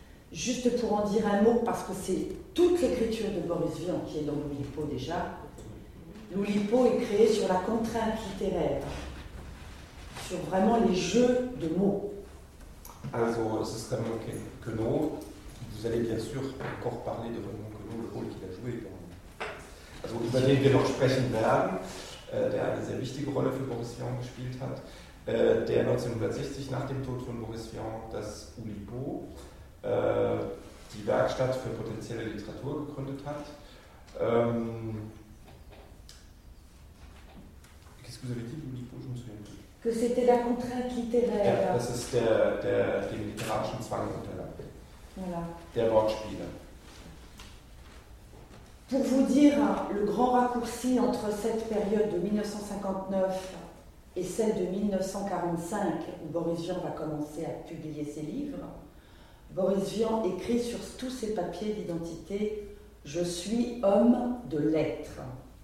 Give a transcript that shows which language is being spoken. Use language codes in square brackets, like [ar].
[fr] Juste pour en dire un mot, parce que c'est toute l'écriture de Boris Vian qui est dans l'Oulipo déjà. L'Oulipo est créé sur la contrainte littéraire, sur vraiment les jeux de mots. Also, c'est Raymond Queneau. Vous allez bien sûr encore parler de Raymond Queneau, le rôle qu'il a joué dans... [de] Also über den wir noch sprechen werden, der eine sehr wichtige Rolle für Boris Vian gespielt hat, der 1960 nach dem Tod von Boris Vian das Oulipo die Werkstatt für potenzielle Literatur gegründet hat. [fr] Qu'est-ce que vous avez dit, vous dites, je me souviens plus. Que c'était la contrainte littéraire. [de] Ja, das ist den literarischen Zwang unterlag. [fr] Voilà. [de] Der Wortspiele. [fr] Pour vous dire le grand raccourci entre cette période de 1959 et celle de 1945, où Boris Vian va commencer à publier ses livres, Boris Vian écrit sur tous ses papiers d'identité « Je suis homme de lettres ».